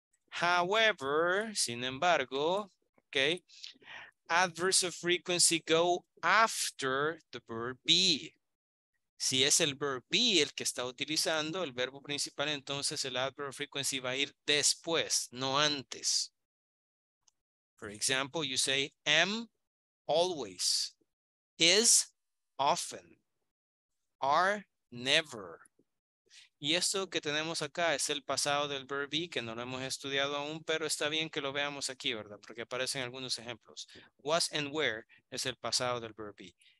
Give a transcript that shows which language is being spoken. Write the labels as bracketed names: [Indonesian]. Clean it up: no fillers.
[English] However, [Spanish] sin embargo, [English] okay, adverbs of frequency go after the verb be. [Spanish] Si es el verb be el que está utilizando, el verbo principal, entonces el adverb of frequency va a ir después, no antes. [English] For example, you say am always, is often, are never. [Spanish] Y esto que tenemos acá es el pasado del verb be, que no lo hemos estudiado aún, pero está bien que lo veamos aquí, ¿verdad? Porque aparecen algunos ejemplos. Was and were es el pasado del verb be.